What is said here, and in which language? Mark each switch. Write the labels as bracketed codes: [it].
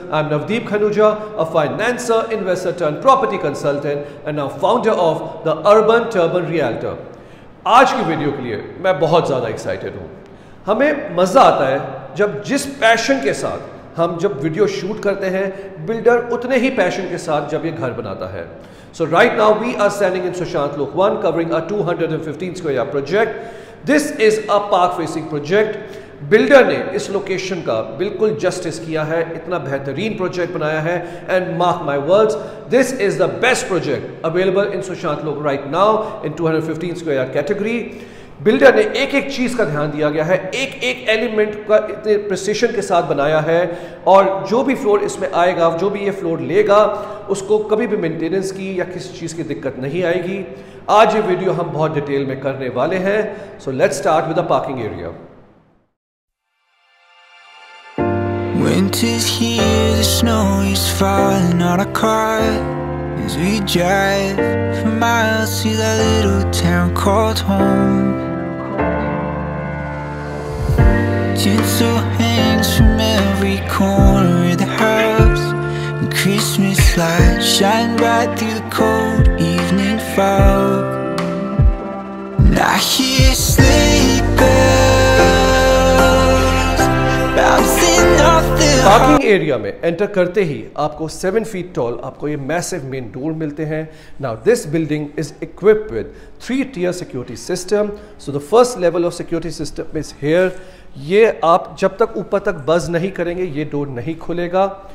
[en] I'm Navdeep Khanuja, a financier, investor turned property consultant and a founder of the Urban Turban Realtor. [hi] आज की video के लिए मैं बहुत ज़्यादा एक्साइटेड हूँ. हमें मज़ा आता है जब जिस पैशन के साथ हम जब वीडियो शूट करते हैं, बिल्डर उतने ही पैशन के साथ जब ये घर बनाता है. [en] So right now we are standing in Sushant Lok one covering a 215 square yard project. This is a park facing project. [hi] Builder ने इस location का बिल्कुल justice किया है. इतना बेहतरीन project बनाया है. [en] And mark my words, this is the best project available in Sushant Lok right now in 215 square yard category. [hi] Builder ने एक एक चीज का ध्यान दिया गया है, एक एक element का इतने precision के साथ बनाया है. और जो भी floor इसमें आएगा, जो भी ये floor लेगा, उसको कभी भी maintenance की या किसी चीज़ की दिक्कत नहीं आएगी. आज ये वीडियो हम बहुत डिटेल में करने वाले हैं. [en] So let's start with the parking area. Winter's here, the snow is falling on our car as we drive for miles to that little town called home. Tinsel hangs from every corner of the house and Christmas lights shine bright through the cold evening fog. I hear sleep bells bouncing off the hall. [hi] Parking area में enter करते ही आपको 7 feet toll आपको ये massive main door मिलते हैं. [en] Now this building is equipped with 3-tier security system. So the first level of security system is here. [hi] ये आप जब तक ऊपर तक बज नहीं करेंगे ये डोर नहीं खुलेगा.